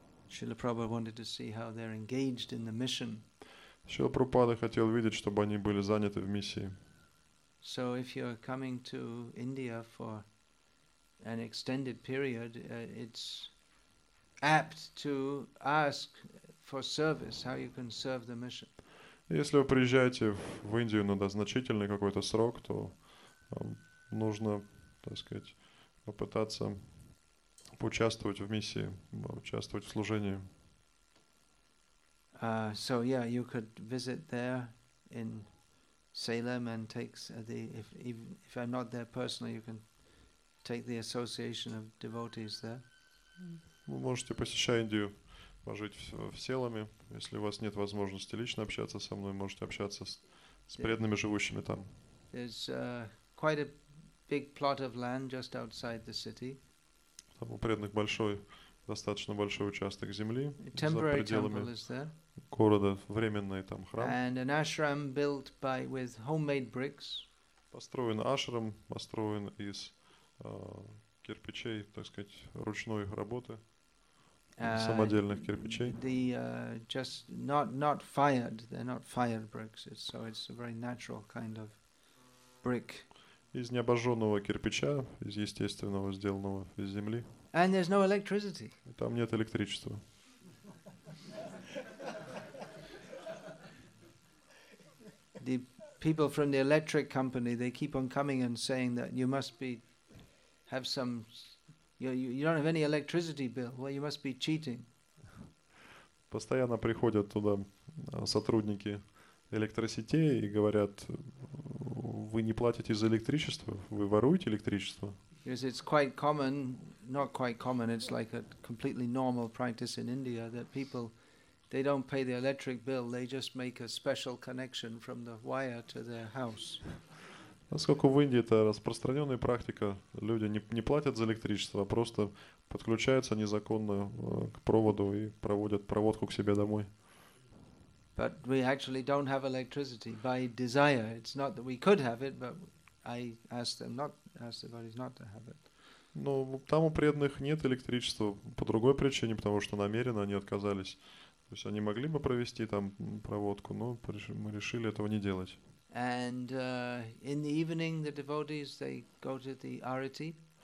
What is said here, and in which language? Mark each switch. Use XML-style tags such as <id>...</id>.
<en>Шрила Прабхупада wanted to see how they're engaged in the mission.</en> <ru>Шрила Прабхупада хотел видеть, чтобы они были заняты в миссии.</ru> <en>So if you're coming to India for an extended period, it's apt to ask for service, how you can serve the mission.</en> <ru>Если вы приезжаете в Индию на значительный какой-то срок, то нужно, так сказать, попытаться поучаствовать в миссии, участвовать в служении.</ru> <en>So yeah, you could visit there in Salem and take the if I'm not there personally, you can take the association of devotees there.</en> <ru>Вы можете посещать Индию. Пожить в селами, если у вас нет возможности лично общаться со мной, можете общаться с преданными, живущими там.</ru> <en>There's quite a big plot of land just outside the city.</en> <ru>Там у преданных большой, достаточно большой участок земли за пределами города, временный там храм.</ru> <en>And an ashram built by with homemade bricks.</en> <ru>Построен ашрам, построен из кирпичей, так сказать, ручной работы. Самодельных кирпичей.</ru> <en>Just not fired. They're not fired bricks. It's a very natural kind of brick.</en> <ru>Из необожженного кирпича, из естественного, сделанного из земли.</ru> <en>And there's no electricity.</en> <ru>И там нет электричества.</ru> <en>The people from the electric company, they keep on coming and saying that you must be have some. You don't have any electricity bill. Well, you must be cheating.</en> <ru>Постоянно приходят туда сотрудники электросетей и говорят, вы не платите за электричество, вы воруете электричество.</ru> <en>Because it's quite common, not quite common, it's like a completely normal practice in India that people, they don't pay the electric bill, they just make a special connection from the wire to their house.</en> <ru>Поскольку в Индии это распространенная практика, люди не платят за электричество, а просто подключаются незаконно к проводу и проводят проводку к себе домой.</ru> <en>But we actually don't have electricity by desire. It's not that we could have it, but I asked them not, asked the bodies not to have it.</en> <ru>Но там у преданных нет электричества по другой причине, потому что намеренно они отказались. То есть они могли бы провести там проводку, но мы решили этого не делать.</ru> <en>And in the evening, the devotees they go to the arati.</en>